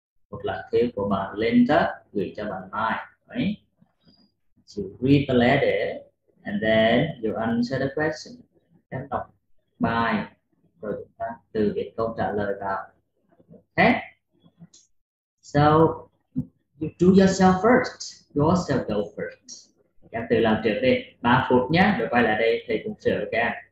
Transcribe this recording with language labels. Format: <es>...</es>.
<vi>Một lá thư của bà Linda gửi cho bà Mai.</vi> <en>Right? You read the letter and then you answer the question.</en> <vi>Em đọc bài rồi chúng ta từ biệt câu trả lời vào.</vi> <en>Okay. So you do yourself first. Yourself go first.</en> <vi>Em tự làm trước đi. 3 phút nhé. Rồi quay lại đây thầy cũng sửa cho em.</vi>